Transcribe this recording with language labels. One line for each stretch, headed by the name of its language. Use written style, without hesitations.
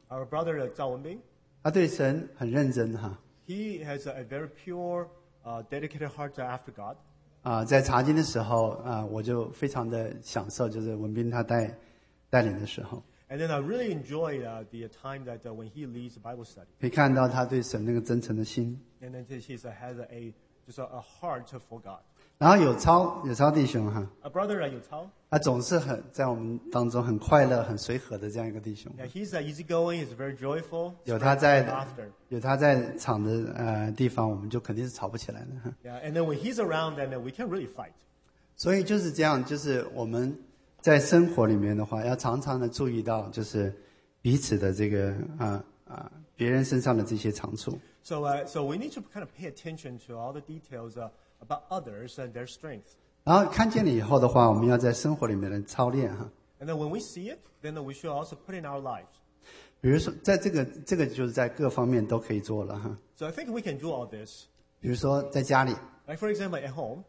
English: Our brother 赵文斌。
Chinese: 他对神很认真哈。
English: He has a very pure, dedicated heart after God.
Chinese: 在查经的时候我就非常的享受就是文斌他带领的时候。
English: And then I really enjoyed the time that when he leads the Bible study.
Chinese: 可以看到他对神那个真诚的心。
English: And then he's has a, just a heart for God.
Chinese: 然后有超弟兄哈。
English: A brother, 有超。
Chinese: 他总是很在我们当中很快乐很随和的这样一个弟兄。
English: Yeah, he's easygoing, he's very joyful.
Chinese: 有他在场的地方我们就肯定是吵不起来的。
English: Yeah, and then when he's around, then we can't really fight.
Chinese: 所以就是这样就是我们在生活里面的话要常常的注意到就是彼此的这个别人身上的这些长处。
English: So we need to kind of pay attention to all the details about others and their strengths.
Chinese: 然后看见了以后的话，我们要在生活里面的操练哈。
English: And then when we see it, then we should also put in our lives.
Chinese: 比如说在这个就是在各方面都可以做了哈。
English: So I think we can do all this.
Chinese: 比如说在家里。
English: Like for example, at home.